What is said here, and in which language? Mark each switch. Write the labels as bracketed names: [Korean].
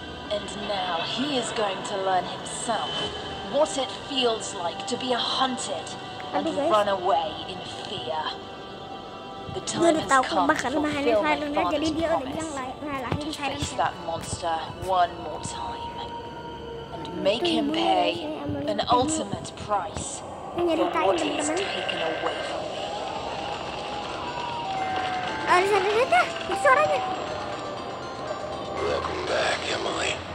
[English] And now he is going to learn himself what it feels like to be hunted and run away in fear. [Indonesian] Dia udah tahu kelemahannya Siren Head, jadi dia udah bilang ngalahin Siren Head. [English] That monster one more time and make him pay an ultimate price. Welcome back, Emily.